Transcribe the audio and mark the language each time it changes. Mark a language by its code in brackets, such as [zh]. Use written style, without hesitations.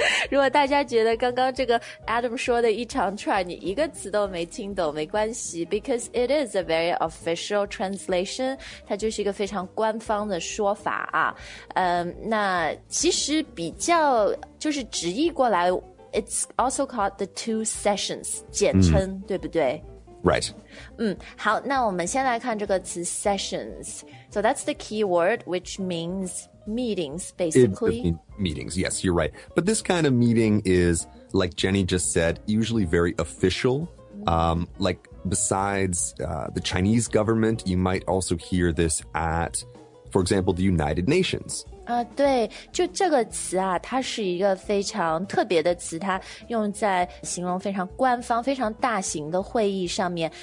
[zh] 如果大家觉得刚刚这个 Adam 说的一长串，你一个词都没听懂，没关系 ， [en] because it is a very official translation. [zh] 它就是一个非常官方的说法啊。那其实比较就是直译过来。 [en] It's also called the two sessions, [zh] 简称、对不对 [en] Right. [zh] 好，那我们先来看这个词 sessions. [en] So that's the key word, which means meetings, basically. Meetings, yes, you're right. But this kind of meeting is, like Jenny just said, usually very official. Like, besides the Chinese government, you might also hear this at, for example, the United Nations. [zh] 对，就这个词啊，它是一个非常特别的词，它用在形容非常官方、非常大型的会议上面。